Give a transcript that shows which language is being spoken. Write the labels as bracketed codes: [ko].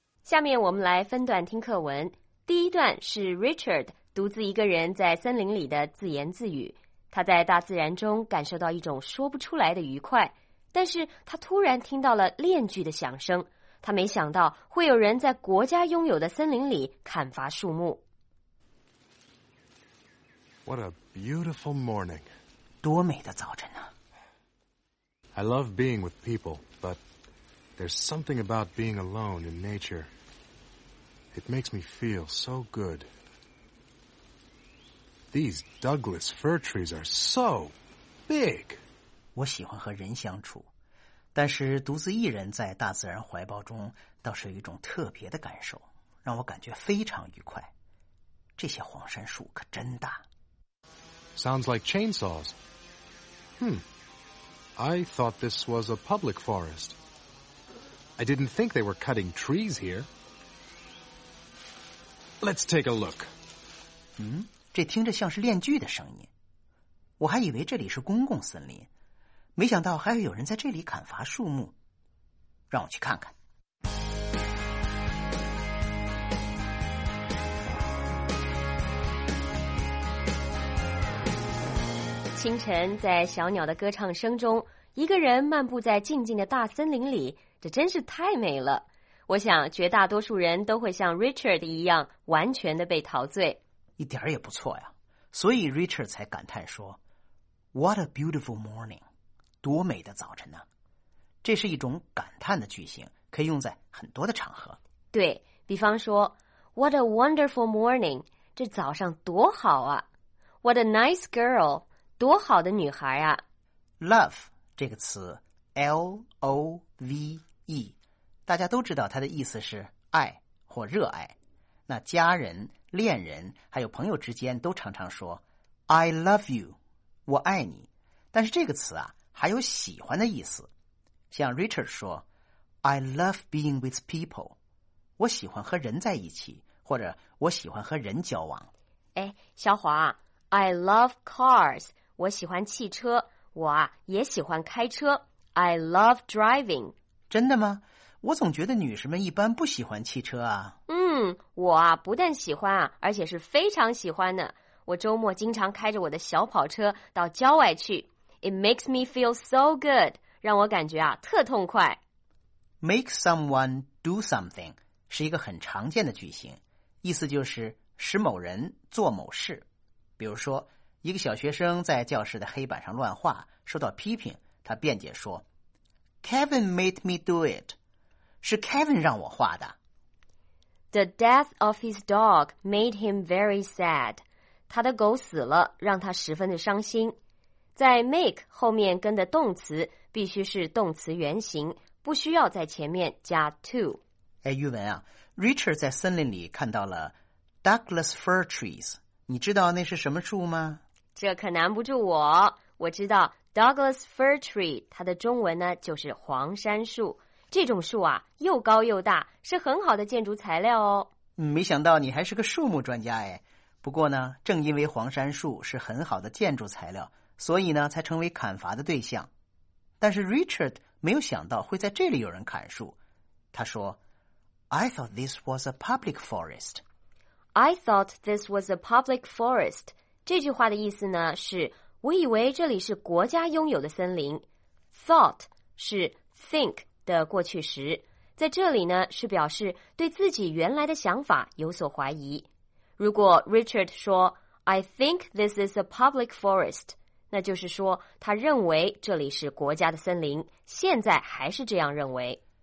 [zh] Richard 独自一个人在森林里的自言自语，他在大自然中感受到一种说不出来的愉快，但是他突然听到了链锯的响声，他没想到会有人在国家拥有的森林里砍伐树木。 [en] What a beautiful morning. [zh] 多美的早晨啊。 [en] I love being with people, but there's something about being alone in nature. It makes me feel so good. These Douglas fir trees are so big. [zh] 我喜欢和人相处，但是独自一人在大自然怀抱中倒是有一种特别的感受，让我感觉非常愉快。这些黄杉树可真大。 [en] Sounds like chainsaws. I thought this was a public forest. I didn't think they were cutting trees here. Let's take a look. [zh] 这听着像是链锯的声音，我还以为这里是公共森林，没想到还有人在这里砍伐树木。让我去看看。清晨在小鸟的歌唱声中，一个人漫步在静静的大森林里，这真是太美了。我想绝大多数人都会像 Richard 一样完全的被陶醉。一点也不错呀，所以 Richard 才感叹说 [en] What a beautiful morning， [zh] 多美的早晨呢、啊、这是一种感叹的句型，可以用在很多的场合。对，比方说 [en] What a wonderful morning， [zh] 这早上多好啊。 [en] What a nice girl， [zh] 多好的女孩啊。 Love 这个词 L-O-V-E， 大家都知道它的意思是爱或热爱，那家人、恋人还有朋友之间都常常说 [en] I love you， [zh] 我爱你。但是这个词啊还有喜欢的意思，像 Richard 说 [en] I love being with people， [zh] 我喜欢和人在一起，或者我喜欢和人交往。哎，小华， [en] I love cars， [zh] 我喜欢汽车，我啊也喜欢开车， [en] I love driving。 [zh] 真的吗？我总觉得女士们一般不喜欢汽车啊。我啊不但喜欢啊，而且是非常喜欢的。我周末经常开着我的小跑车到郊外去。 [en] It makes me feel so good， [zh] 让我感觉啊特痛快。 [en] Make someone do something [zh] 是一个很常见的句型，意思就是使某人做某事。比如说，一个小学生在教室的黑板上乱画，受到批评，他辩解说 ： [en] “Kevin made me do it。” [zh] 是 Kevin 让我画的。 [en] The death of his dog made him very sad. [zh] 他的狗死了，让他十分的伤心。在 make 后面跟的动词必须是动词原形，不需要在前面加 to。哎，玉文啊 ，Richard 在森林里看到了 Douglas fir trees， 你知道那是什么树吗？这可难不住我。我知道 Douglas fir tree， 它的中文呢就是黄杉树。这种树啊又高又大，是很好的建筑材料哦。没想到你还是个树木专家哎。不过呢，正因为黄杉树是很好的建筑材料，所以呢才成为砍伐的对象。但是 Richard 没有想到会在这里有人砍树。他说 [en] I thought this was a public forest. I thought this was a public forest. [zh] 这句话的意思呢是我以为这里是国家拥有的森林。 Thought 是 think的过去时，在这里呢是表示对自己原来的想法有所怀疑。如果 Richard 说 [en] I think this is a public forest， [zh] 那就是说他认为这里是国家的森林，现在还是这样认为。